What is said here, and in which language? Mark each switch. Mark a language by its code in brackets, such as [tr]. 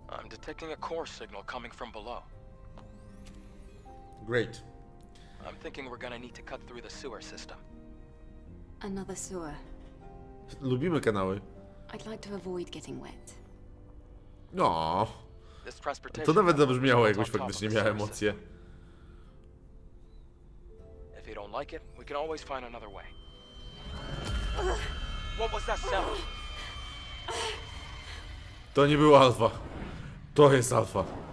[en] Detecting a core signal coming from below. Great. I'm thinking we're gonna need to cut through the sewer system. Another sewer. [pl] Lubimy kanały. [en] I'd like to avoid getting wet. No. [pl] To nawet zabrzmiało, jakbyś faktycznie miał emocje. [en] If you don't like it, we can always find another way. What was that sound? [pl] To nie był alfa. To jest alfa.